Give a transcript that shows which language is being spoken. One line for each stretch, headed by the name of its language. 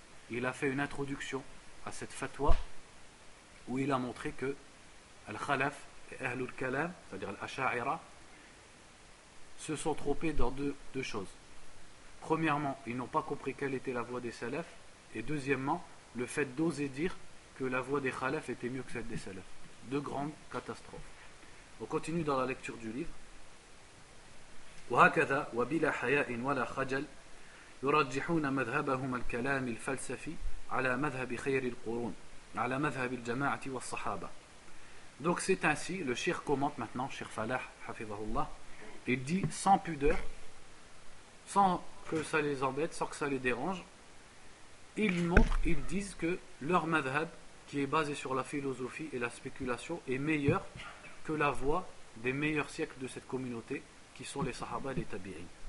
French: Il a fait une introduction à cette fatwa où il a montré que Al-Khalaf et Ahlul Kalam, c'est-à-dire Al-Asha'ira, se sont trompés dans deux choses. Premièrement, ils n'ont pas compris quelle était la voie des salafs. Et deuxièmement, le fait d'oser dire que la voie des khalafs était mieux que celle des salafs. Deux grandes catastrophes. On continue dans la lecture du livre.
Arabic: وهكذا وبلا حياء ولا خجل يرجحون مذهبهم الكلام الفلسفي على مذهب خير القرون على مذهب الجماعة والصحابة.
French: Donc c'est ainsi, le cheikh commente maintenant, cheikh Falah, hafizahullah, il dit sans pudeur, sans que ça les embête, sans que ça les dérange, ils disent que leur madhhab, qui est basé sur la philosophie et la spéculation, est meilleur que la voie des meilleurs siècles de cette communauté, qui sont les sahaba et les tabi'in.